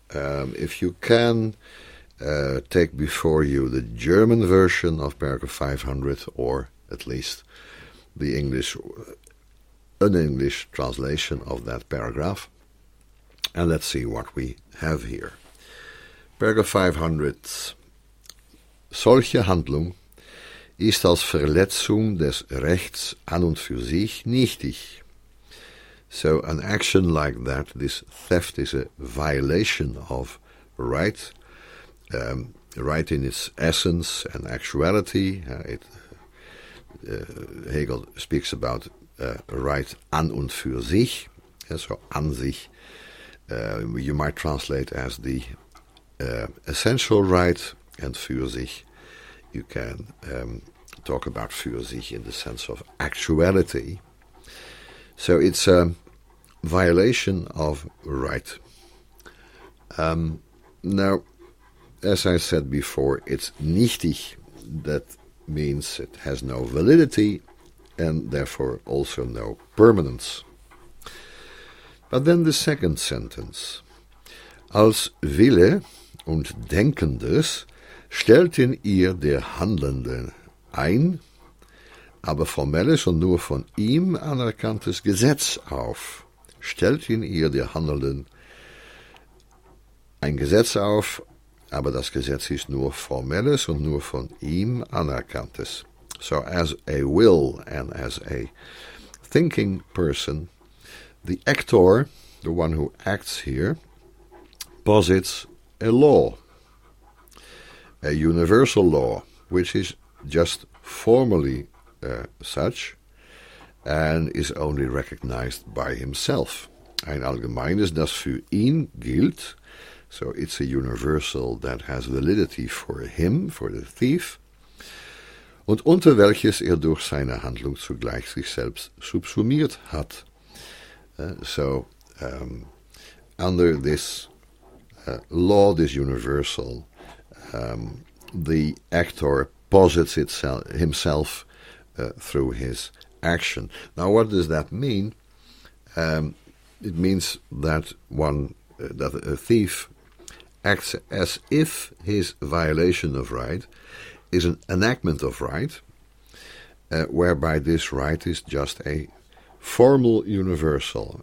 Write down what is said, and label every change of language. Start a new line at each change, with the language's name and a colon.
English: If you can, take before you the German version of paragraph 500, or at least the English, an English translation of that paragraph, and let's see what we have here. Paragraph 500.
German: Solche Handlung ist als Verletzung des Rechts an und für sich nichtig.
English: So an action like that, this theft, is a violation of right, right in its essence and actuality. Hegel speaks about right an und für sich, so an sich, you might translate as the essential right, and für sich, you can talk about für sich in the sense of actuality. So it's a violation of right. Now, as I said before, it's nichtig. That means it has no validity and therefore also no permanence. But then the second sentence.
German: Als Wille und Denkendes stellt in ihr der Handelnde ein, aber formelles und nur von ihm anerkanntes Gesetz auf. Stellt in ihr der Handelnden ein Gesetz auf, aber das Gesetz ist nur formelles und nur von ihm anerkanntes.
English: So as a will and as a thinking person, the actor, the one who acts here, posits a law, a universal law, which is just formally such, and is only recognized by himself.
German: Ein allgemeines, das für ihn gilt.
English: So it's a universal that has validity for him, for the thief.
German: Und unter welches durch seine Handlung zugleich sich selbst subsumiert hat.
English: So under this law, this universal, the actor posits himself through his action. Now, what does that mean? It means that that a thief acts as if his violation of right is an enactment of right, whereby this right is just a formal universal.